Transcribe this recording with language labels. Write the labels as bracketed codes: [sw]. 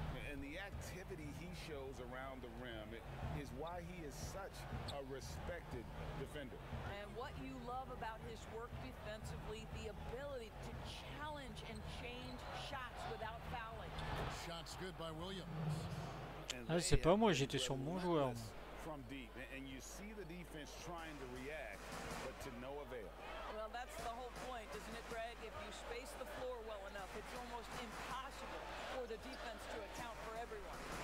[en] And the activity he shows around the rim is why he is such a respected defender. And what you love about his work defensively, the ability to challenge and change shots without fouling. Shots good by Williams. [fr] Ah, c'est pas moi, j'étais sur mon joueur. [en] From deep, and you see the defense trying to react, but to no avail. Well, that's the whole point, isn't it, Greg? If you space the floor well enough, it's almost impossible for the defense to account for everyone.